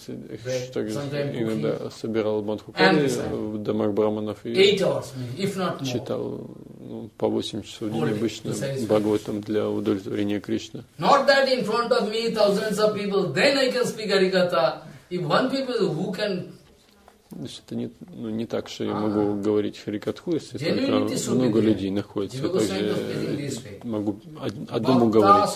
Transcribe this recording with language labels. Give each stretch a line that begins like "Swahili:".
Russian: так иногда собирал мантру кали в домах браманов и читал по 8 часов в день обычно Бхагаватам для удовлетворения Кришны.
English: Not that in front of me thousands of people, then I can speak Харикатха. If one people who can.
Russian: То есть это не так, что я могу говорить Харикатху, если только много людей находится. Также могу одному говорить.